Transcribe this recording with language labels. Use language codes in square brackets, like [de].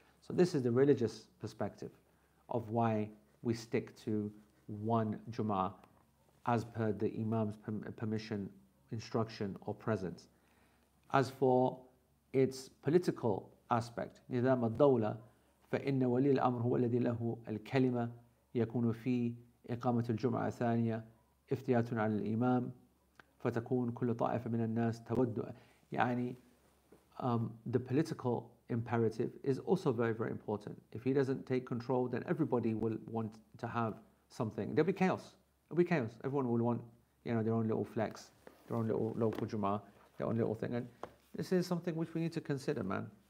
[en] So this is the religious perspective of why we stick to one Jummah as per the Imam's permission, instruction, or presence. As for its political aspect, [ar] نِذَامَ الدَّوْلَةِ فَإِنَّ وَلِي الْأَمْرُ هُوَ الَّذِي لَهُ الْكَلِمَةِ يَكُونُ فِي إِقَامَةُ الْجُمْعَةِ الثَّانِيَةِ افْتِيَاتٌ عَلَى الْإِمَامِ فَتَكُونُ كُلُّ طَائِفَةٍ مِنَ النَّاسِ تَوَدُّ. [en] يعني, the political imperative is also very, very important. If he doesn't take control, then everybody will want to have something. There'll be chaos. It'll be chaos. Everyone will want, you know, their own little flex, their own little local Jummah, their own little thing. And this is something which we need to consider, man.